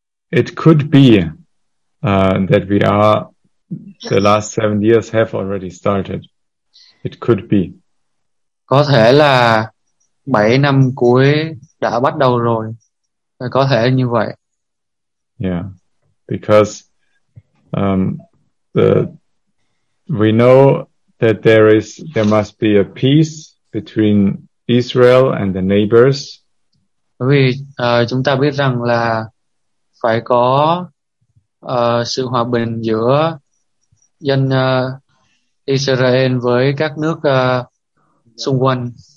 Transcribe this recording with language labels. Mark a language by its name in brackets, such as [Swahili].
[English] It could be that we are the last 7 years have already started. It could be. [Vietnamese] Có thể là 7 năm cuối đã bắt đầu rồi. Có thể như vậy. [English] Because the we know that there must be a peace between Israel and the neighbors. [Vietnamese] Vì chúng ta biết rằng là phải có sự hòa bình giữa dân Israel với các nước xung quanh.